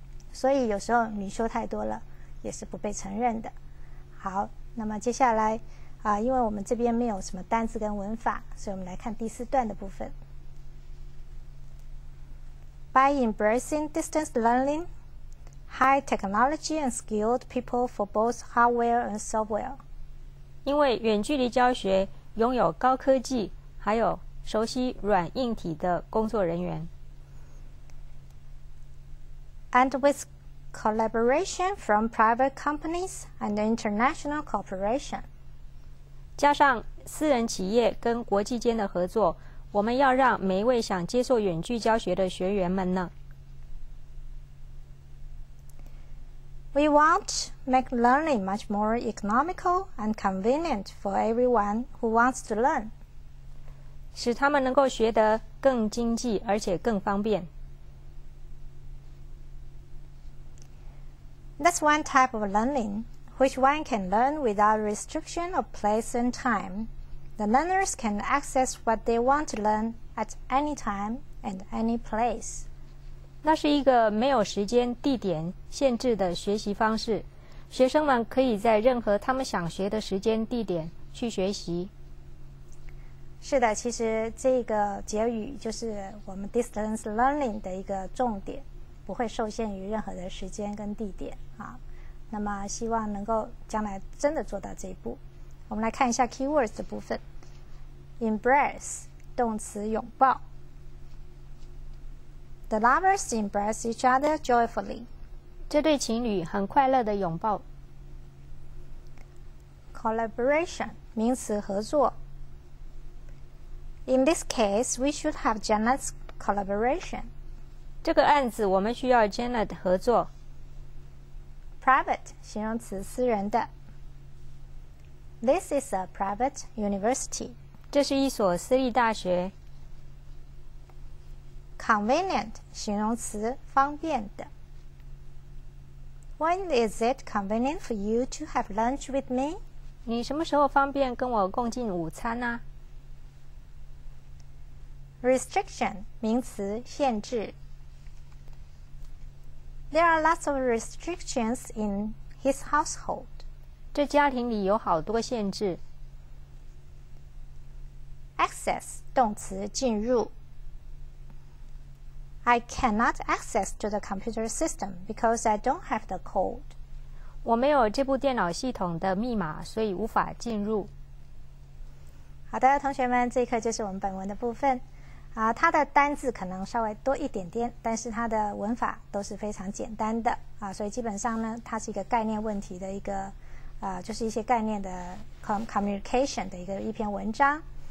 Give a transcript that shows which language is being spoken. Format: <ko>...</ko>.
<zh>所以有时候你修太多了也是不被承认的好那么接下来因为我们这边没有什么单字跟文法所以我们来看第四段的部分</zh> <en>By embracing distance learning, high technology and skilled people for both hardware and software.</en> <zh>因为远距离教学拥有高科技还有熟悉软硬体的工作人员。</zh> <en>And with collaboration from private companies and international cooperation.</en> <zh>加上私人企业跟国际间的合作我们要让每一位想接受远距教学的学员们呢</zh> <en>We want to make learning much more economical and convenient for everyone who wants to learn</en> <zh>使他们能够学得更经济而且更方便</zh> <en>That's one type of learning which one can learn without restriction of place and timeThe learners can access what they want to learn at any time and any place.</en> <zh>那是一个没有时间、地点限制的学习方式。学生们可以在任何他们想学的时间、地点去学习。是的，其实这个结语就是我们</zh> <en>distance learning</en> <zh>的一个重点，不会受限于任何的时间跟地点。那么希望能够将来真的做到这一步。我们来看一下 keywords 的部分 embrace 动词拥抱</zh> <en>The lovers embrace each other joyfully</en> <zh>这对情侣很快乐的拥抱</zh> <en>collaboration 名词合作 In this case we should have Janet's collaboration</en> <zh>这个案子我们需要 Janet 合作</zh> <en>private 形容词私人的This is a private university.</en> <zh>这是一所私立大学。 Convenient, 形容词，方便的。</zh> <en>When is it convenient for you to have lunch with me?</en> <zh>你什么时候方便跟我共进午餐呢？ Restriction, 名词，限制。</zh> <en>There are lots of restrictions in his household.</en> <zh>这家庭里有好多限制。 Access, 动词进入。</zh> <en>I cannot access to the computer system because I don't have the code.</en> <zh>我没有这部电脑系统的密码，所以无法进入。好的，同学们，这一课就是我们本文的部分。它的单字可能稍微多一点点，但是它的文法都是非常简单的啊，所以基本上呢，它是一个概念问题的一个就是一些概念的 communication 的一篇文章。</zh>